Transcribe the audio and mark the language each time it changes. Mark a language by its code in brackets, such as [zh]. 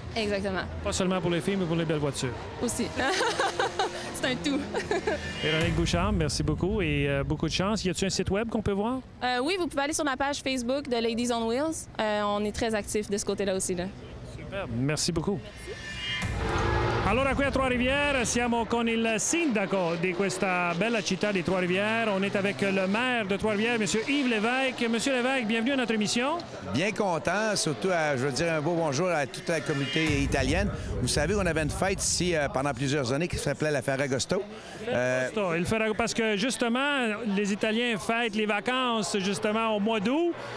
[fr] Exactement. Pas seulement pour les filles, mais pour les belles voitures. Aussi. C'est un tout. Véronique Bouchard, merci beaucoup et beaucoup de chance. Y a-t-il un site web qu'on peut voir? Oui, vous pouvez aller sur la page Facebook de Ladies on Wheels. On est très actifs de ce côté-là aussi. Là. Super. Merci beaucoup. [it] Allora, qui a Trois-Rivières, siamo con il sindaco di questa bella città di Trois-Rivières. [fr] On est avec le maire de Trois-Rivières, M. Yves Lévesque. M. Lévesque, bienvenue à notre émission. Bien content, surtout, je veux dire un beau bonjour à toute la communauté italienne. Vous savez, on avait une fête ici pendant plusieurs années qui s'appelait la Ferragosto. Ferragosto, parce que justement, les Italiens fêtent les vacances justement au mois d'août.